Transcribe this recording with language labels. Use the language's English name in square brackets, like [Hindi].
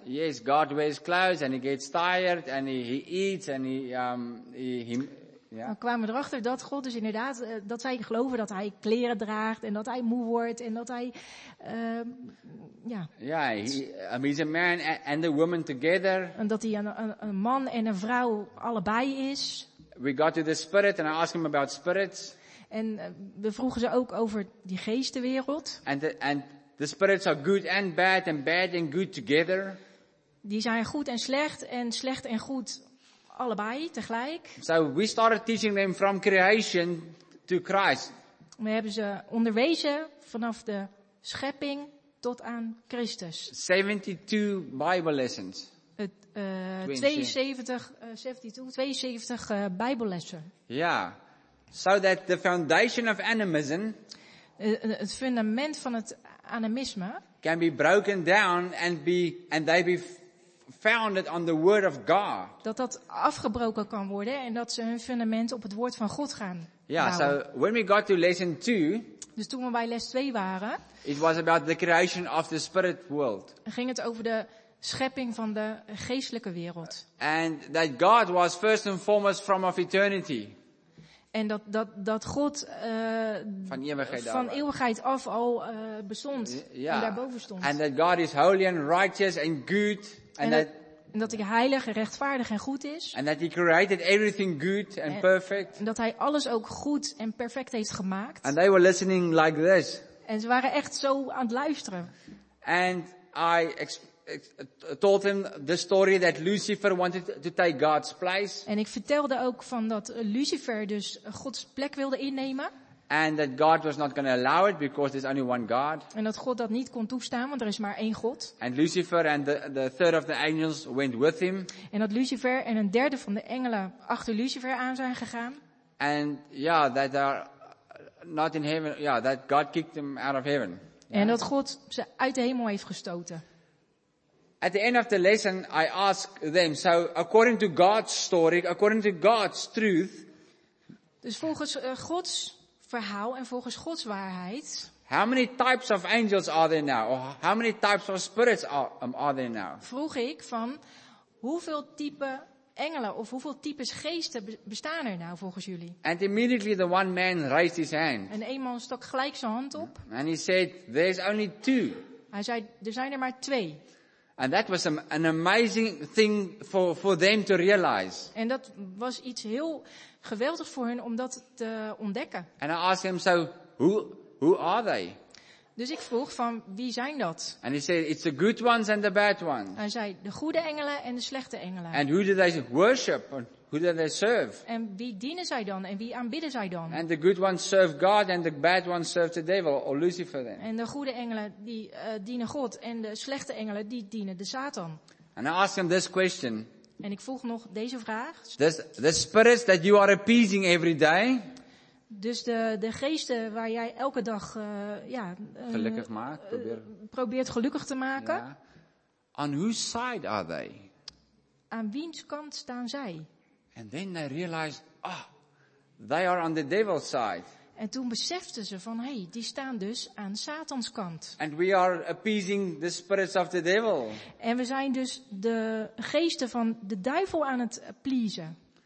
[English] Yes, God wears clothes and he gets tired and he eats and [Dutch] Dan kwamen we erachter dat God dus inderdaad, dat zij geloven dat hij kleren draagt en dat hij moe wordt en dat hij, [English] he's a man and a woman together. [Dutch] En dat hij een man en een vrouw allebei is. [English] We got to the spirit and I asked him about spirits. [Dutch] En we vroegen ze ook over die geestenwereld. [English] And the spirits are good and bad and good together. [Dutch] Die zijn goed en slecht en goed. Allebei tegelijk. [English] So we started teaching them from creation to Christ. [Dutch] We hebben ze onderwezen vanaf de schepping tot aan Christus. [English] 72 Bible lessons. 72 Bible lessons. Ja. Yeah. So that the foundation of animism. [Dutch] Het fundament van het animisme. [English] Can be broken down founded on the word of God. [Dutch] Dat afgebroken kan worden en dat ze hun fundament op het woord van God gaan. Ja, yeah, [English] so when we got to lesson 2. [Dutch] Dus toen we bij les 2 waren. [English] It was about the creation of the spirit world. [Dutch] Ging het over de schepping van de geestelijke wereld. [English] And that God was first and foremost from of eternity. [Dutch] En dat God van eeuwigheid af al bestond yeah. En daarboven stond. [English] And that God is holy and righteous and good. [Dutch] En dat hij heilig, rechtvaardig en goed is. [English] And that he created everything good and perfect. [Dutch] En dat hij alles ook goed en perfect heeft gemaakt. [English] And they were listening like this. [Dutch] En ze waren echt zo aan het luisteren. [English] And I told him the story that Lucifer wanted to take God's place. [Dutch] En ik vertelde ook van dat Lucifer dus Gods plek wilde innemen. [English] And that God was not going to allow it because there's only one God. [Dutch] En dat God dat niet kon toestaan, want er is maar één God. [English] And Lucifer and the third of the angels went with him. [Dutch] En dat Lucifer en een derde van de engelen achter Lucifer aan zijn gegaan. [English] And yeah, that they are not in heaven. Yeah, that God kicked them out of heaven. [Dutch] En dat God ze uit de hemel heeft gestoten. [English] At the end of the lesson, I asked them. So according to God's story, according to God's truth. [Dutch] Dus volgens Gods verhaal en volgens Gods waarheid. [English] How many types of angels are there now? Or how many types of spirits are there now? [Dutch] Vroeg ik van hoeveel type engelen of hoeveel types geesten bestaan er nou volgens jullie? [English] And immediately the one man raised his hand. [Dutch] En een man stak gelijk zijn hand op. [English] And he said, there's only two. [Dutch] Hij zei, er zijn er maar twee. [English] And that was an amazing thing for them to realize. [Dutch] En dat was iets heel geweldig voor hen om dat te ontdekken. [English] And I asked him, so who are they? [Dutch] Dus ik vroeg van wie zijn dat? [English] And he said, it's the good ones and the bad ones. [Dutch] Hij zei de goede engelen en de slechte engelen. [English] And who do they worship? Who do they serve? [Dutch] En wie dienen zij dan en wie aanbidden zij dan? [English] And the good ones serve God and the bad ones serve the devil or Lucifer then. [Dutch] En de goede engelen die dienen God en de slechte engelen die dienen de Satan. [English] And I asked him this question. [Dutch] En ik vroeg nog deze vraag. [English] The spirits that you are appeasing every day. [Dutch] Dus de geesten waar jij elke dag gelukkig maakt, probeert gelukkig te maken. [English] Yeah. On whose side are they? [Dutch] Aan wiens kant staan zij? [English] And then they realize, they are on the devil's side. [Dutch] En toen beseften ze van, hey, die staan dus aan Satans kant. [English] And we are appeasing the spirits of the devil. [Dutch] En we zijn dus de geesten van de duivel aan het pleasen.